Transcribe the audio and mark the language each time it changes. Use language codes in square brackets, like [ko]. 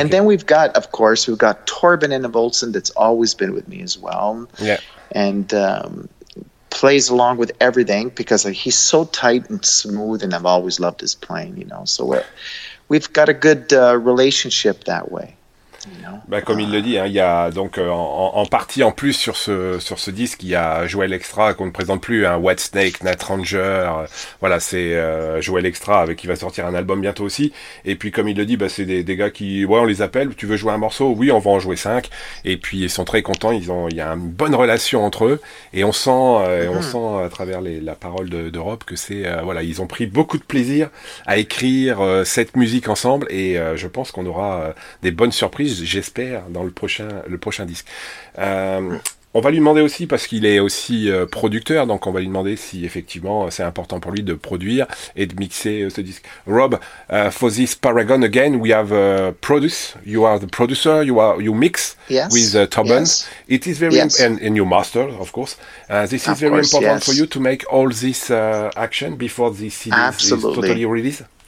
[en] And then we've got Torben in the Volsen that's always been with me as well. Yeah. And plays along with everything because he's so tight and smooth, and I've always loved his playing, you know. So we've got a good relationship that way. [fr] Bah, comme il le dit, hein, il y a donc en partie en plus sur ce disque, il y a Joel Extra qu'on ne présente plus, hein, White Snake, Night Ranger, voilà, c'est Joel Extra avec qui va sortir un album bientôt aussi. Et puis comme il le dit, bah, c'est des gars qui, ouais, on les appelle, tu veux jouer un morceau, oui, on va en jouer 5. Et puis ils sont très contents, il y a une bonne relation entre eux, et on sent, on sent à travers la parole d'Europe que c'est voilà, ils ont pris beaucoup de plaisir à écrire cette musique ensemble, et je pense qu'on aura des bonnes surprises, j'espère, dans le prochain disque. On va lui demander aussi, parce qu'il est aussi producteur, donc on va lui demander si effectivement c'est important pour lui de produire et de mixer ce disque. [en] Rob, for this Paragon again, we have produce. You are the producer. You mix, yes, with Tobin. Yes. It is very, yes, and you master, of course. This is of very course, important, yes, for you to make all this action before the CD is totally released.